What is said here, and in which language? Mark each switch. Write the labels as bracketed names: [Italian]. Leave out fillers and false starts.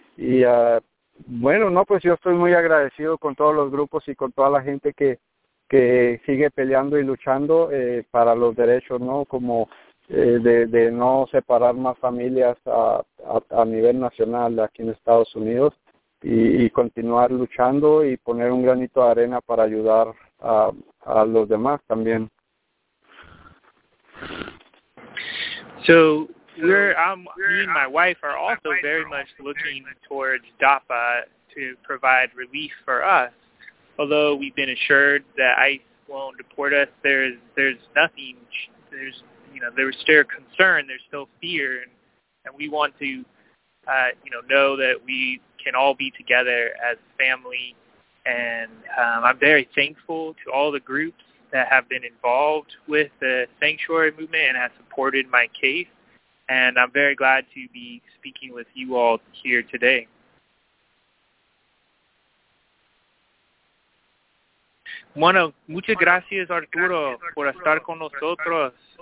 [Spanish] Y bueno, no, pues yo estoy muy agradecido con todos los grupos y con toda la gente que sigue peleando y luchando para los derechos, ¿no?, como de no separar más familias a nivel nacional aquí en Estados Unidos y continuar luchando y poner un granito de arena para ayudar a los demás también. [English] So me and my wife are also very much looking towards DAPA to provide relief for us. Although we've been assured that ICE won't deport us, there's nothing. You know, there's still concern, there's still fear, and we want to, you know that we can all be together as family. And I'm very thankful to all the groups that have been involved with the sanctuary movement and have supported my case. And I'm very glad to be speaking with you all here today. [Spanish] Bueno, muchas gracias, Arturo, por estar con nosotros.